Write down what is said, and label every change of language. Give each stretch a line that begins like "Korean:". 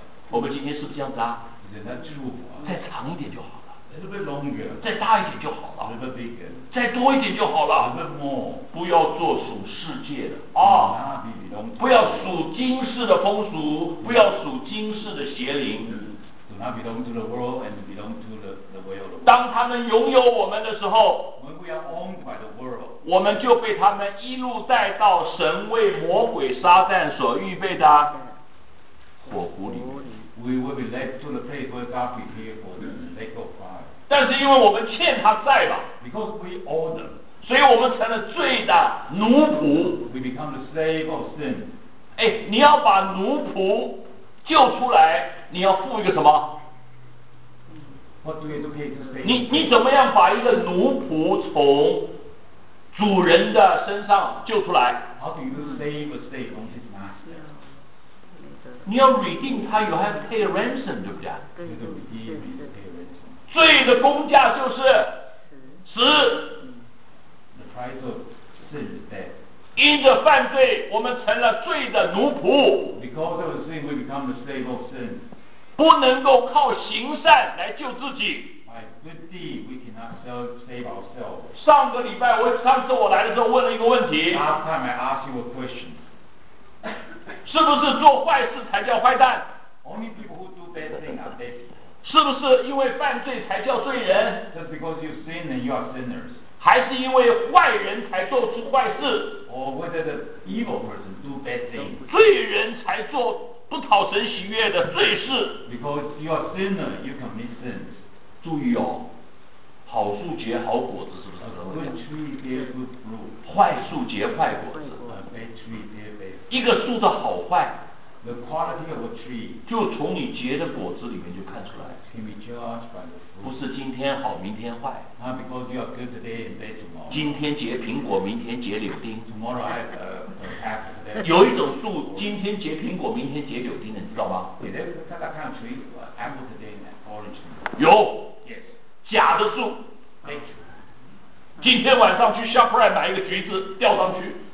Chinese: 我们今天是不是这样子啊？再祝福。再长一点就好了。
English: A little bit longer.
Chinese: 再大一点就好了。
English: A little bit bigger.
Chinese: 再多一点就好了。
English: A little bit more.
Chinese: 不要做属世界的啊！不要属今世的风俗，不要属今世的邪灵。
English: Not belong to the world and belong to the world.
Chinese: 当他们拥有我们的时候
English: ，When we are owned by the world,
Chinese: 我们就被他们一路带到神为魔鬼撒旦所预备的火湖里。
English: We will be led to the place where God prepared for the lake of fire.
Chinese: 但是因为我们欠他债吧
English: ，Because we owe them,
Chinese: 所以我们成了罪的奴仆。
English: We become the slave of sin.
Chinese: 哎，你要把奴仆救出来。你要付一个什么
English: What do you have to pay to pay?
Chinese: 你怎么样把一个奴仆从主人的身上救出来
English: How do you save a slave from his master?
Chinese: 你要
English: redeem
Chinese: 他
English: You have to pay a ransom
Chinese: 对不对
English: You have to redeem him to pay a ransom
Chinese: 罪的工价就是死
English: The price of sin is death
Chinese: 因着犯罪，我们成了罪的奴仆。
English: Because of sin, we become the slave of sin.
Chinese: 不能够靠行善来救自己。
English: By good deed, we cannot save ourselves.
Chinese: 上个礼拜我上次我来的时候问了一个问题。
English: Last time I asked you a question.
Chinese: 是不是做坏事才叫坏蛋
English: ？Only people who do bad things are bad.
Chinese: 是不是因为犯罪才叫罪人
English: ？Just because you sin and you are sinners.
Chinese: 还是因为坏人才做出坏事
English: or whether the evil person do bad thing.
Chinese: 罪人才做不讨神喜悦的罪事。
English: Because you are sinner, you commit sins.
Chinese: 注意哦，好树结好果子是不是？
English: A good tree bear good fruit.
Chinese: 坏树结坏果子。
English: A bad tree bear bad fruit.
Chinese: 一个树的好坏。
English: The quality of a tree
Chinese: 就从你结的果子里面就看出来。
English: Can be judged by the fruit.
Chinese: 不是今天好明天坏。
English: Not because you are good today and bad tomorrow.
Chinese: 今天结苹果，明天结柳丁。
English: Tomorrow I have apple.
Chinese: 有一种树，今天结苹果，明天结柳丁的，你知道吗？
English: Yeah, there's that kind of tree, apple today and orange tomorrow.
Chinese: 有。
English: Yes.
Chinese: 假的树。
English: Fake.
Chinese: 今天晚上去 shop right 买一个橘子吊上去。